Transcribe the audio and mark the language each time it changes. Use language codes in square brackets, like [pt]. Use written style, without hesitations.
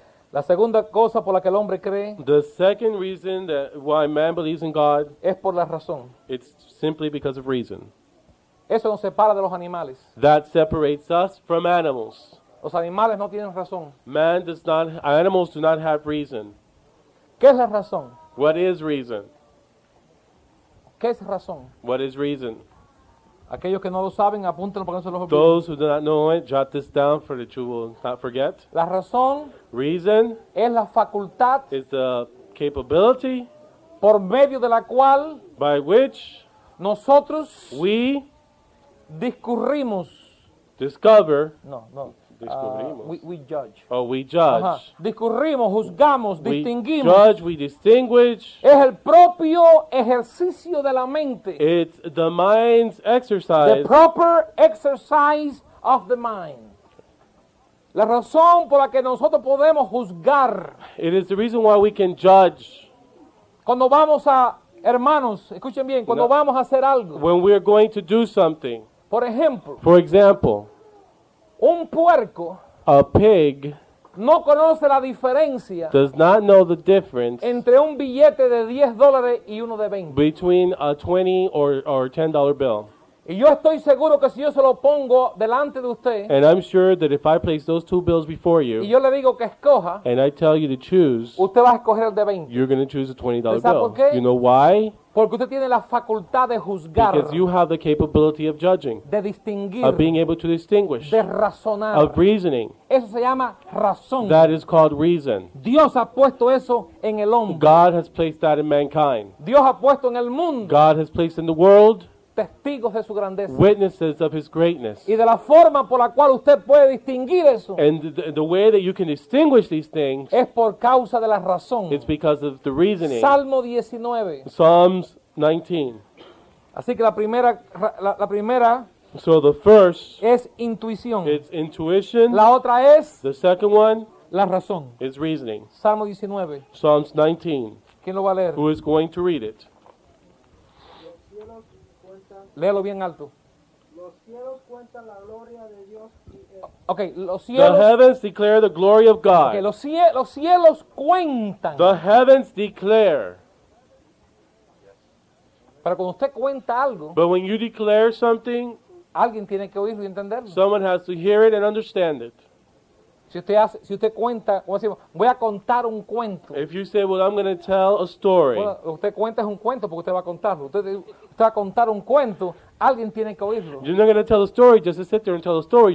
[es] La segunda cosa por la que el hombre cree, [en] the second reason that why man believes in God, [es] es por la razón, [en] it's simply because of reason. [es] Eso nos separa de los animales, [en] that separates us from animals. [es] Los animales no tienen razón. [en] Man does not, animals do not have reason. [es] ¿Qué es la razón? [en] What is reason? [es] ¿Qué es razón? [en] What is reason? [es] Aquellos que no lo saben, apúntenlo para que no se los olvide. [en] Those who do not know it, jot this down for that you will not forget. [es] La razón, [en] reason, [es] es la facultad, [en] is the capability, [es] por medio de la cual, [en] by which, [es] nosotros, [en] we, [es] discurrimos, [en] discover, [es] no, no, discurrimos. [en] We judge. Oh, we judge. [es] Discurrimos, juzgamos, distinguimos. [en] We judge, we distinguish. [es] Es el propio ejercicio de la mente. [en] It's the mind's exercise. The proper exercise of the mind. [es] La razón por la que nosotros podemos juzgar. [en] It is the reason why we can judge. [es] Cuando vamos a, hermanos, escuchen bien, cuando no, vamos a hacer algo. [en] When we are going to do something. [es] Por ejemplo. [en] For example. [es] Un puerco, [en] a pig, [es] no conoce la diferencia, [en] does not know the difference, [es] entre un billete de $10 y uno de 20, [en] between a $20 or $10 bill. [es] Y yo estoy seguro que si yo se lo pongo delante de usted, [en] and I'm sure that if I place those two bills before you, [es] y yo le digo que escoja, [en] and I tell you to choose, [es] usted va a escoger el de 20. [en] You're going to choose a $20 bill. [es] ¿Por qué? [en] You know why? [es] Porque usted tiene la facultad de juzgar. [en] Because you have the capability of judging. [es] De distinguir. [en] Of being able to distinguish. [es] De razonar. [en] Of reasoning. [es] Eso se llama razón. [en] That is called reason. [es] Dios ha puesto eso en el hombre. [en] God has placed that in mankind. [es] Dios ha puesto en el mundo. [en] God has placed in the world. [es] Testigos de su grandeza. [en] Witnesses of his greatness. [es] Y de la forma por la cual usted puede distinguir eso. [en] And the way that you can distinguish these things. [es] Es por causa de la razón. [en] It's because of the reasoning. [es] Salmo 19. [en] Psalms 19. [es] Así que la primera. [en] So the first. [es] Es intuición. [en] It's intuition. [es] La otra es. [en] The second one. [es] La razón. [en] It's reasoning. [es] Salmo 19. [en] Psalms 19. [es] ¿Quién lo va a leer? [en] Who is going to read it? [es] Léelo bien alto. Los cielos cuentan la gloria de Dios. Okay, los cielos. [en] The heavens declare the glory of God. [es] Okay, los cielos cuentan. [en] The heavens declare. [es] Pero cuando usted cuenta algo. [en] But when you declare something. [es] Alguien tiene que oírlo y entenderlo. [en] Someone has to hear it and understand it. [es] Si usted cuenta, como decimos, voy a contar un cuento. [en] If you say, well, I'm going to tell a story. [es] Bueno, usted cuenta es un cuento porque usted va a contarlo. Usted va a contar un cuento, alguien tiene que oírlo. [en] You're not going to tell a story just to sit there and tell a story.